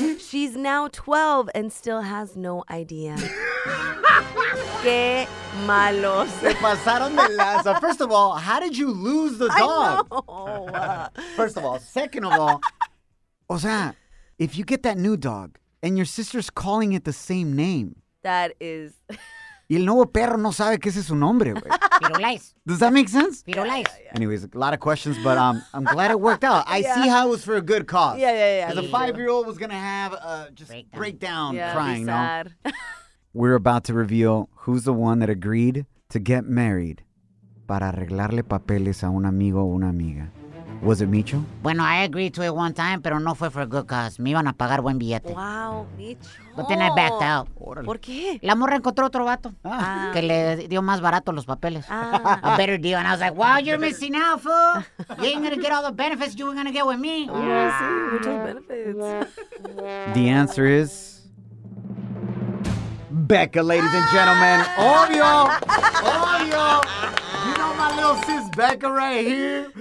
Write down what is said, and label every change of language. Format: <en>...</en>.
<en>She's now 12 and still has no idea.</en> <es>Qué malos. Se pasaron de lanza.</es> <en>First of all, how did you lose the dog? I know. First of all. Second of all, o sea, if you get that new dog and your sister's calling it the same name. That is...</en> <es>Y el nuevo perro no sabe que ese es su nombre, güey. Pirulais.</es> <en>Does that make sense? Pirulais. Anyways, a lot of questions, but I'm glad it worked out. I see how it was for a good cause. Yeah. Because a 5-year-old was going to have a just breakdown yeah, crying, sad. No? We're about to reveal who's the one that agreed to get married</en> <es>para arreglarle papeles a un amigo o una amiga.</es> <en>Was it Micho? Bueno, I agreed to it one time,</en> <es>pero no fue</es> <en>for a good cause.</en> <es>Me iban a pagar buen billete.</es> <en>Wow, Micho. But then I backed out.</en> <es>Orale. ¿Por qué? La morra encontró otro vato que le dio más barato los papeles.</es> <en>A better deal. And I was like, wow, you're missing out, fool. You ain't gonna get all the benefits you were gonna get with me. Yeah, see, muchos benefits. The answer is... Becca, ladies and gentlemen. Obvio. My little sis Becca right here.</en>